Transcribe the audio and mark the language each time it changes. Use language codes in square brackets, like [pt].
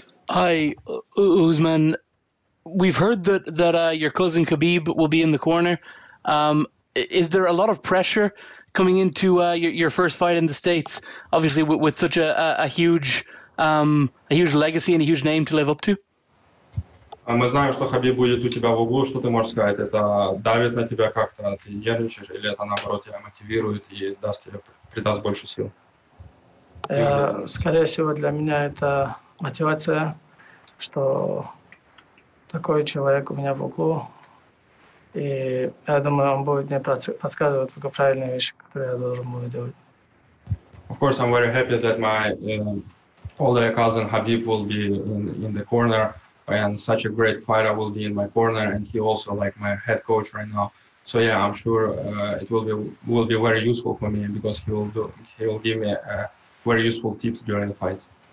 [en] Hi, Usman. We've heard that your cousin Khabib will be in the corner. Is there a lot of pressure coming into your first fight in the States, obviously with such a huge legacy and a huge name to live up to? [ru] Мы знаем, что Хабиб будет у тебя в углу. Что ты можешь сказать? Это давит на тебя как-то? Ты нервничаешь? Или это, наоборот, тебя мотивирует и придаст больше сил? Скорее всего, для меня это мотивация, что такой человек у меня в углу. И я думаю, он будет мне подсказывать только правильные вещи, которые я должен буду делать. [en] Of course, I'm very happy that my older cousin Habib will be in the corner, and such a great fighter will be in my corner, and he also like my head coach right now. So yeah, I'm sure it will be very useful for me, because he will give me very useful tips during the fight.